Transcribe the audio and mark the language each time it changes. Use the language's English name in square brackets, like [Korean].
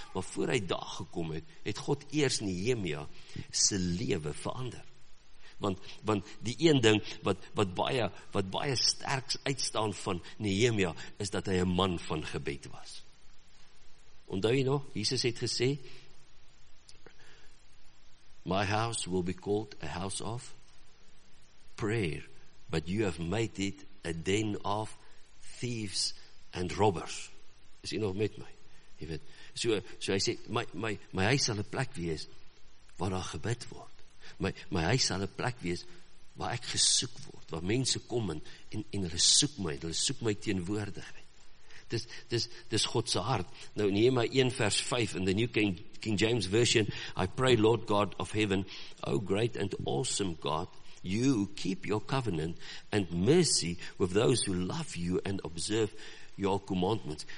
[Afrikaans] Maar voor hy daar gekom het, het God eers Nehemia se lewe verander. Want die een ding wat baie sterk uitstaan van Nehemia is dat hy 'n man van gebed was. Onthou jy nog, Jesus het gesê, [English] "My house will be called a house of prayer, but you have made it a den of thieves and robbers." [Afrikaans] Is jy nog met my? Jy weet, so hy sê, my huis sal 'n plek wees waar daar gebid word. My huis sal 'n plek wees waar ek gesoek word, waar mense kom en hulle soek my, hulle soek my teenwoordigheid. Dis God se hart. Nou in Nehemia 1 vers 5 in [English] the New King James Version, "I pray, Lord God of heaven, O great and awesome God, you keep your covenant and mercy with those who love you and observe your commandments."